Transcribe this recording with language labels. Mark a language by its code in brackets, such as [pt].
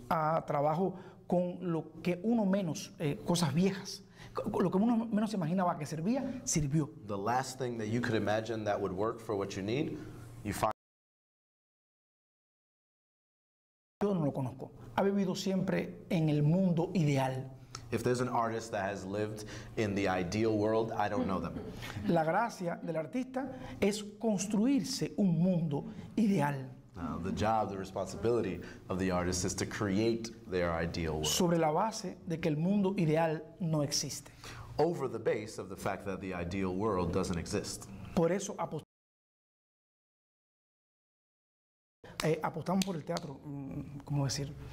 [es] A trabajo con lo que uno menos, cosas viejas. Lo que uno menos imaginaba que servía, sirvió. [en] The last thing that you could imagine that would work for what you need, you find. [es] Yo no lo conozco. Ha vivido siempre en el mundo ideal. [en] If there's an artist that has lived in the ideal world, I don't know them. [es] La gracia del artista es construirse un mundo ideal. [en] The job, the responsibility of the artist is to create their ideal world. [es] Sobre la base de que el mundo ideal no existe. [en] Over the base of the fact that the ideal world doesn't exist. [es] Por eso apostamos por el teatro, ¿cómo decir?